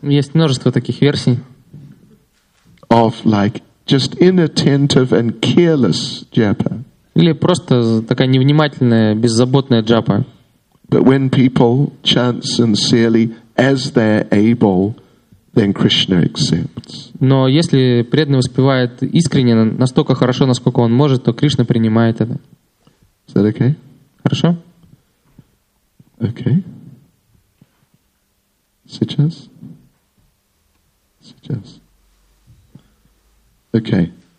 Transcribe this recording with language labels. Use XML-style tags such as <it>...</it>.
<ru>Есть множество таких версий.</ru> <en>Of like just inattentive and careless japa.</en> <ru>Или просто такая невнимательная, беззаботная джапа.</ru> <en>But when people chant sincerely as they're able, then Krishna accepts.</en> <ru>Но если преданный воспевает искренне, настолько хорошо, насколько он может, то Кришна принимает это.</ru> <en>Is that okay?</en> <ru>Хорошо?</ru> <en>Okay.</en> <ru>Сейчас? Сейчас. Okay.</ru>